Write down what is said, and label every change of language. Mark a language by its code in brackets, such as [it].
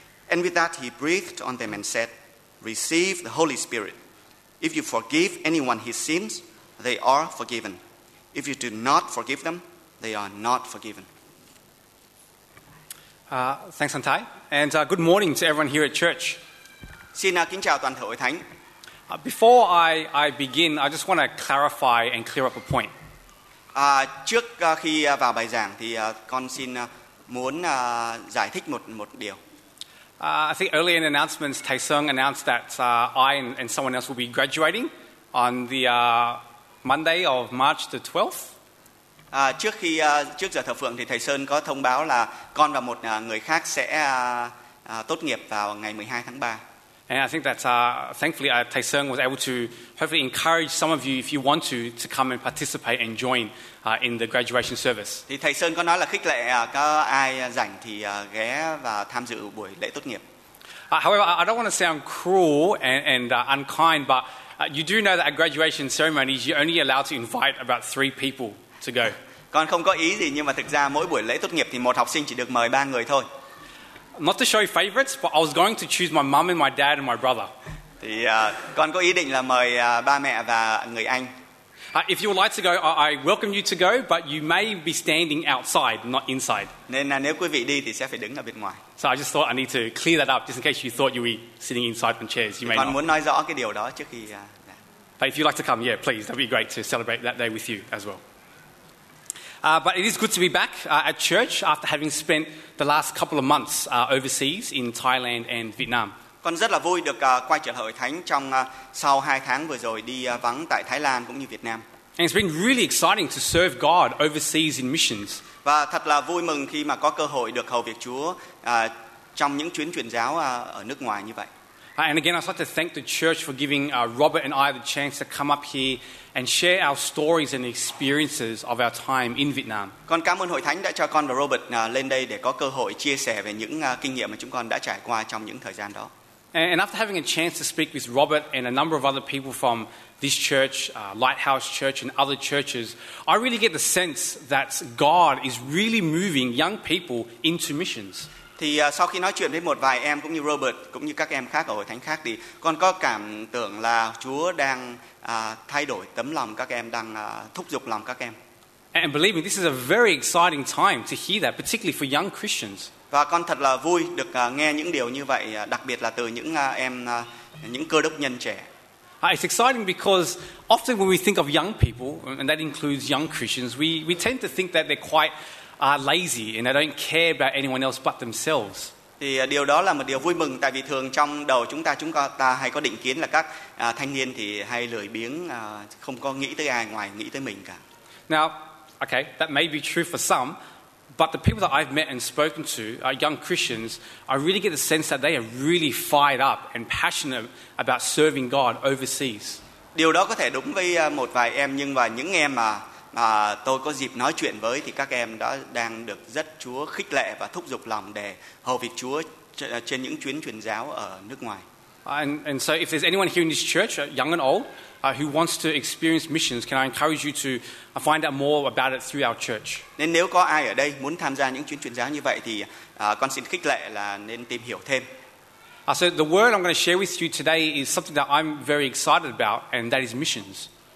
[en] And with that, he breathed on them and said, "Receive the Holy Spirit. If you forgive anyone his sins, they are forgiven. If you do not forgive them, they are not forgiven." Thanks, Antai. And good morning to everyone here at church. [vi] Xin kính chào toàn thể hội thánh. [en] Before I begin, I just want to clarify and clear up a point. [vi] Trước khi vào bài giảng thì con xin muốn giải thích một điều. [en] I think earlier in announcements, Thầy Sơn announced that I and someone else will be graduating on the Monday of March the 12th. [vi] Trước giờ thờ phượng thì thầy Sơn có thông báo là con và một người khác sẽ tốt nghiệp vào ngày 12 tháng 3. [en] And I think that thankfully Thầy Sơn was able to hopefully encourage some of you, if you want to come and participate and join in the graduation service. [vi] Thì thầy Sơn có nói là khích lệ có ai rảnh thì ghé và tham dự buổi lễ tốt nghiệp. [en] However, I don't want to sound cruel and unkind, but you do know that at graduation ceremonies you're only allowed to invite about 3 people. To go. [vi] Con không có ý gì, nhưng mà thực ra mỗi buổi lễ tốt nghiệp thì một học sinh chỉ được mời 3 người thôi. [en] Not to show favorites, but I was going to choose my mom and my dad and my brother. [vi] Thì con có ý định là mời ba mẹ và người anh. [en] If you would like to go, I welcome you to go, but you may be standing outside, not inside. [vi] Nên là nếu quý vị đi thì sẽ phải đứng ở bên ngoài. [en] So I just thought I need to clear that up, just in case you thought you were sitting inside on chairs. You may con not. [vi] Muốn nói rõ cái điều đó trước khi. [en] But if you'd like to come, yeah, please, that'd be great to celebrate that day with you as well. But it is good to be back at church after having spent the last couple of months overseas in Thailand and Vietnam. [vi] Con rất là vui được quay trở lại hội thánh trong sau 2 tháng vừa rồi đi vắng tại Thái Lan cũng như Việt Nam. [en] And it's been really exciting to serve God overseas in missions. [vi] Và thật là vui mừng khi mà có cơ hội được hầu việc Chúa trong những chuyến truyền giáo ở nước ngoài như vậy. [en] And again, I'd like to thank the church for giving Robert and I the chance to come up here and share our stories and experiences of our time in Vietnam. [vi] Con cảm ơn hội thánh đã cho con và Robert lên đây để có cơ hội chia sẻ về những kinh nghiệm mà chúng con đã trải qua trong những thời gian đó. [en] And after having a chance to speak with Robert and a number of other people from this church, Lighthouse Church and other churches, I really get the sense that God is really moving young people into missions. [vi] Thì sau khi nói chuyện với một vài em cũng như Robert cũng như các em khác ở hội thánh khác thì con có cảm tưởng là Chúa đang thay đổi tấm lòng các em, đang thúc giục lòng các em. [en] And believe me, this is a very exciting time to hear that, particularly for young Christians. [vi] Và con thật là vui được nghe những điều như vậy, đặc biệt là từ những em, những cơ đốc nhân trẻ. [en] It's exciting because often when we think of young people, and that includes young Christians, we tend to think that they're quite lazy and they don't care about anyone else but themselves. Thì điều đó là một điều vui mừng, tại vì thường trong đầu chúng ta hay có định kiến là các thanh niên thì hay lười biếng, không có nghĩ tới ai ngoài nghĩ tới mình cả. Now, okay, that may be true for some, but the people that I've met and spoken to are young Christians. I really get the sense that they are really fired up and passionate about serving God overseas. [vi] Điều đó có thể đúng với một vài em, nhưng và những em mà tôi có dịp nói chuyện với thì các em đã đang được rất Chúa khích lệ và thúc giục lòng để hầu việc Chúa trên những chuyến truyền giáo ở nước ngoài. [en] And so if there's anyone here in this church, young and old, who wants to experience missions, can I encourage you to find out more about it through our church? [vi] Nên nếu có ai ở đây muốn tham gia những chuyến truyền giáo như vậy thì con xin khích lệ là nên tìm hiểu thêm. [en] So the word I'm going to share with you today is something that I'm very excited about, and that is missions.